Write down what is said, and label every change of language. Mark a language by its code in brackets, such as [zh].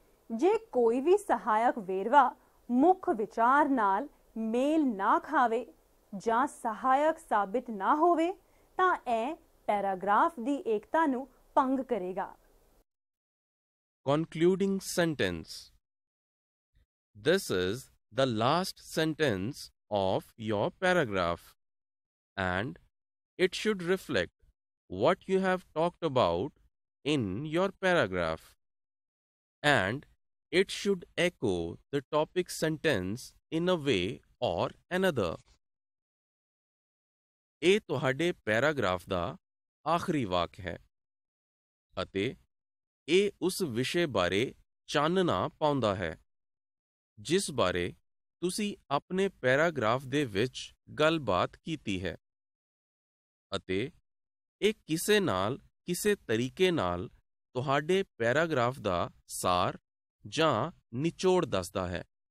[pa] ਜੇ ਕੋਈ ਵੀ ਸਹਾਇਕ ਵੇਰਵਾ ਮੁੱਖ ਵਿਚਾਰ ਨਾਲ ਮੇਲ ਨਾ ਖਾਵੇ ਜਾਂ ਸਹਾਇਕ ਸਾਬਿਤ ਨਾ ਹੋਵੇ ਤਾਂ ਇਹ ਪੈਰਾਗ੍ਰਾਫ ਦੀ ਏਕਤਾ ਨੂੰ ਭੰਗ ਕਰੇਗਾ। [en] Concluding sentence. This is the last sentence of your paragraph and it should reflect what you have talked about in your paragraph, and it should echo the topic sentence in a way or another. [pa] ਇਹ ਤੁਹਾਡੇ paragraph ਦਾ ਆਖਰੀ ਵਾਕ ਹੈ ਅਤੇ ਇਹ ਉਸ ਵਿਸ਼ੇ ਬਾਰੇ ਚਾਨਣਾ ਪਾਉਂਦਾ ਹੈ ਜਿਸ ਬਾਰੇ ਤੁਸੀਂ ਆਪਣੇ ਪੈਰਾਗ੍ਰਾਫ ਦੇ ਵਿੱਚ ਗੱਲਬਾਤ ਕੀਤੀ ਹੈ ਅਤੇ ਇਹ ਕਿਸੇ ਨਾਲ ਕਿਸੇ ਤਰੀਕੇ ਨਾਲ ਤੁਹਾਡੇ ਪੈਰਾਗ੍ਰਾਫ ਦਾ ਸਾਰ ਜਾਂ ਨਿਚੋੜ ਦੱਸਦਾ ਹੈ।